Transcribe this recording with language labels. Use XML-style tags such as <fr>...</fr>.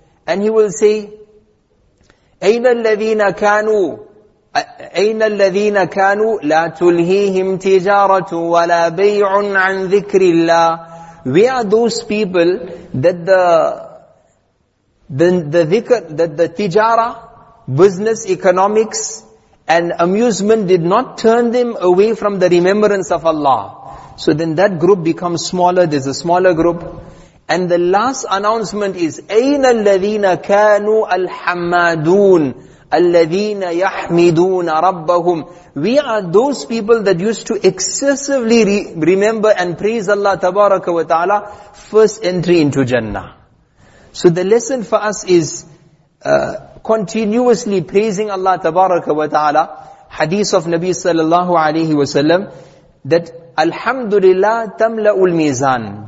<en>And he will say,</en> <ar>أَيْنَ الَّذِينَ كَانُوا أَيْنَ الَّذِينَ كَانُوا لَا تُلْهِيهِمْ تِجَارَةٌ وَلَا بَيْعٌ عَنْ ذِكْرِ اللَّهِ.</ar> <en>We are those people that the tijara, business, economics, and amusement did not turn them away from the remembrance of Allah. So then that group becomes smaller, there's a smaller group. And the last announcement is,</en> <ar>أَيْنَ الَّذِينَ كَانُوا الْحَمَّادُونَ الَّذِينَ يَحْمِدُونَ رَبَّهُمْ.</ar> <en>We are those people that used to excessively remember and praise Allah tabaraka wa ta'ala, first entry into Jannah. So the lesson for us is continuously praising Allah tabaraka wa ta'ala. Hadith of Nabi sallallahu alayhi wa sallam, that</en> <ar>Alhamdulillah tamla'ul mizan.</ar>